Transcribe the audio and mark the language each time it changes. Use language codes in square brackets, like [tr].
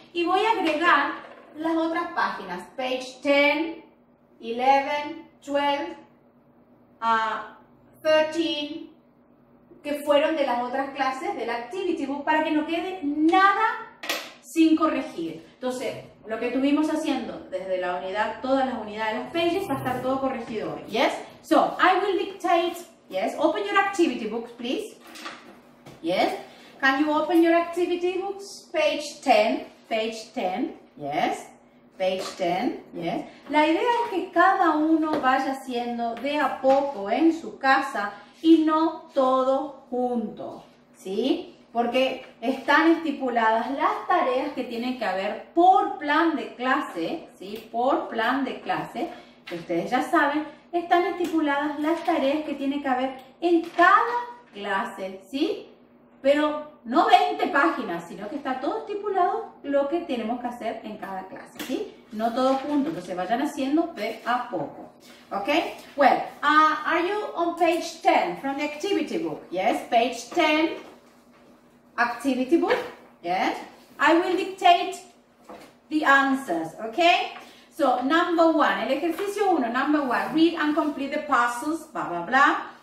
[es] Y voy a agregar las otras páginas. Page 10, 11, 12, 13, que fueron de las otras clases del Activity Book, para que no quede nada sin corregir. Entonces, lo que estuvimos haciendo desde la unidad, todas las unidades, las pages, va a estar todo corregido hoy. [en] Yes? So, I will dictate, yes, open your Activity Books, please. Yes? Can you open your Activity Books? Page 10, page 10, yes. Page 10, yes. [es] La idea es que cada uno vaya haciendo de a poco en su casa y no todo junto, ¿sí? Porque están estipuladas las tareas que tienen que haber por plan de clase, ¿sí? Por plan de clase, que ustedes ya saben, están estipuladas las tareas que tienen que haber en cada clase, ¿sí? Pero no 20 páginas, sino que está todo estipulado lo que tenemos que hacer en cada clase, ¿sí? No todo junto, que se vayan haciendo de a poco, ¿ok? [en] Well, are you on page 10 from the activity book? Yes, page 10, activity book, yes. I will dictate the answers, ¿ok? So, number one, [es] el ejercicio uno, [en] number one, read and complete the puzzles, blah, blah, blah.